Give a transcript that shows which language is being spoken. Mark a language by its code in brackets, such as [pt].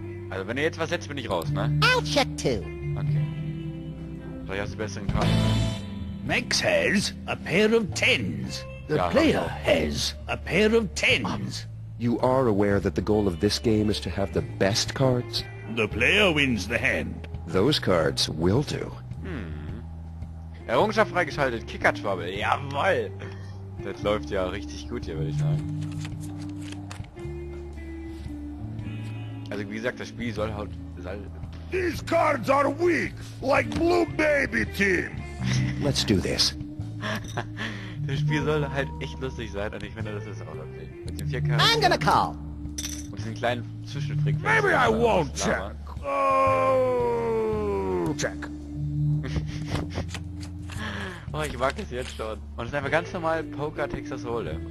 [de] Also wenn ihr jetzt was setzt, bin ich raus, ne? [en] I'll check too. Okay. [de] Vielleicht hast du besseren Karten. [en] Max has a pair of tens. The [de] ja, [en] player has a pair of tens. You are aware that the goal of this game is to have the best cards? The player wins the hand. Those cards will do. Hm. [de] Errungenschaft freigeschaltet, Kickertrouble. Jawoll. Das läuft ja richtig gut hier, würde ich sagen. Also wie gesagt, das Spiel soll halt... [en] These cards are weak, like Blue Baby Team. Let's do this. [de] Das Spiel soll halt echt lustig sein und ich finde, das ist auch okay. Mit den 4 Karten. [en] I'm gonna call. [de] Und diesen kleinen Zwischenfrequenz. [en] Maybe I won't check. Oh, check. [de] Oh, ich mag es jetzt schon. Und es ist einfach ganz normal Poker Texas Hold'em.